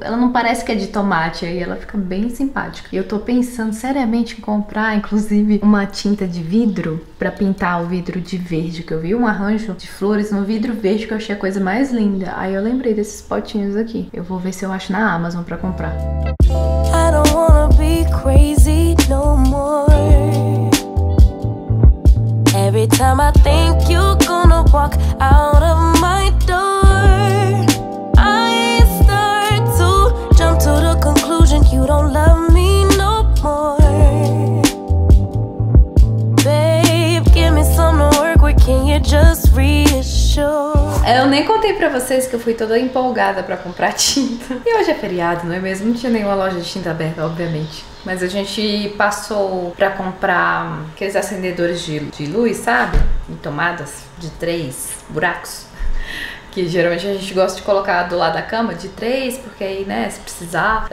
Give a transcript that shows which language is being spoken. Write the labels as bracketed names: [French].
[Portuguese] Ela não parece que é de tomate aí. Ela fica bem simpática. E eu tô pensando seriamente em comprar, inclusive, uma tinta de vidro pra pintar o vidro de verde, que eu vi um arranjo de flores no vidro verde que eu achei a coisa mais linda. Aí eu lembrei desses potinhos aqui. Eu vou ver se eu acho na Amazon pra comprar. [English] I don't wanna be crazy no more. Every time I think you're gonna walk out of my door, I start to jump to the conclusion you don't love me no more. Babe, give me some to work with, can you just reassure? [Portuguese] Eu nem contei pra vocês que eu fui toda empolgada pra comprar tinta. E hoje é feriado, não é mesmo? Não tinha nenhuma loja de tinta aberta, obviamente. Mas a gente passou pra comprar aqueles acendedores de luz, sabe? Em tomadas de 3 buracos. Que geralmente a gente gosta de colocar do lado da cama, de 3, porque aí, né, se precisar.